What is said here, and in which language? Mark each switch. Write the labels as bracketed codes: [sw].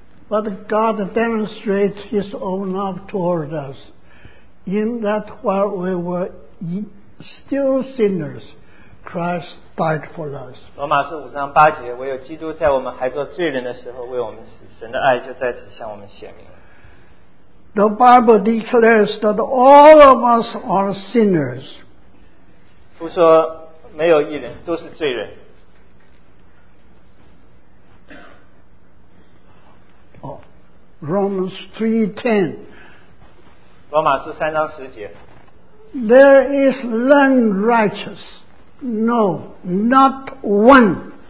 [en] But God demonstrates His own love toward us in that while we were still sinners, Christ died for us. [zh] 罗马书5章8节，唯有基督在我们还做罪人的时候为我们死，神的爱就在此向我们显明。 [en] The Bible declares that all of us are sinners. [zh] 父说没有一人，都是罪人。 [en] Romans 3:10 [zh] 罗马书3章10节 [en] There is none righteous, no, not one.